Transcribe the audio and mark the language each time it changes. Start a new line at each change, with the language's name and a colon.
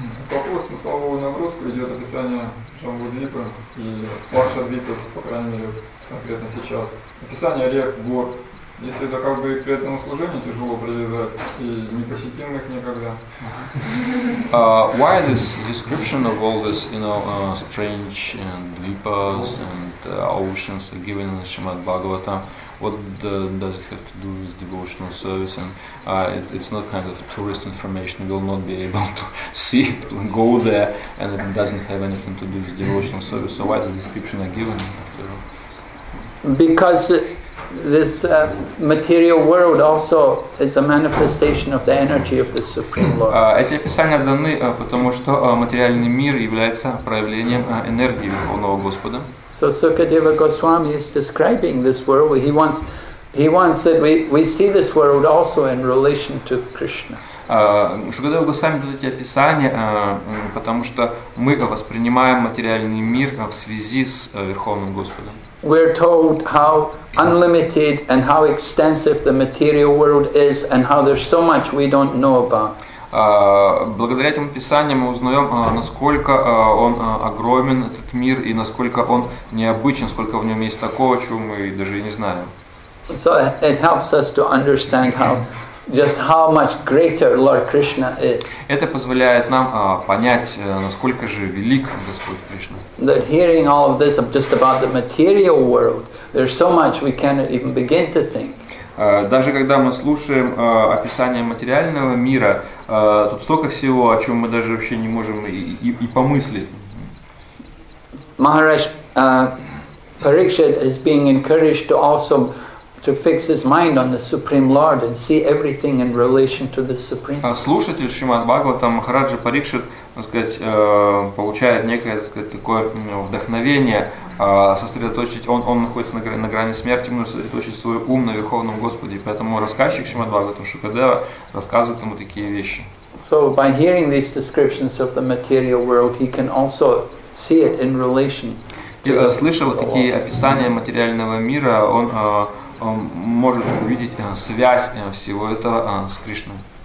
Russian: Вопрос на слабовую нагрузку придет описание Джамбудвипы и Лакшадвипы, по крайней мере, конкретно сейчас. Описание рек, гор. Если это как бы к этому служению тяжело привязать и не посетим их никогда.
English: Why this description of all this, you know, strange and vipas and oceans are given in Shrimad Bhagavatam? What does it have to do with devotional service? And it's not kind of tourist information. You will not be able to see it, go there, and it doesn't have anything to do with devotional service. So why is the description I given after all? Because this material world also is a manifestation of the energy of the Supreme Lord.
Russian: Эти описания даны, потому что материальный мир является проявлением энергии Верховного Господа.
English: So Sukadeva Goswami is describing this world. He wants that we see this world also in relation to Krishna.
Russian: Шукадева Госвами дает эти описания, потому что мы воспринимаем материальный мир в связи с Верховным Господом.
English: We're told how unlimited and how extensive the material world is and how there's so much we don't know about.
Russian: Благодаря этим писаниям мы узнаем, насколько он огромен, этот мир, и насколько он необычен, сколько в нем есть такого, чего мы даже и не знаем.
English: So it helps us to understand how just how much greater Lord Krishna is.
Russian: Это позволяет нам понять, насколько же велик Господь Кришна.
English: That hearing all of this just about the material world, there's so much we cannot even begin to think.
Russian: Даже когда мы слушаем описание материального мира, тут столько всего, о чем мы даже вообще не можем и помыслить.
English: Maharaj Parikshit is being encouraged to also to fix his mind on the Supreme Lord and see everything in relation to the Supreme.
Russian: Слушатель Шримад Бхагаватам Махараджа Парикшит, так сказать, получает некое, так сказать, такое вдохновение. Сосредоточить, он находится на грани смерти, нужно сосредоточить свой ум на Верховном Господе. Поэтому рассказчик Шримад Бхагаватам Шукадева рассказывает ему такие вещи.
English: So by hearing these descriptions of the material world, he can also see it in relation.
Russian: Слыша вот такие описания материального мира, он может увидеть связь всего этого с Кришной.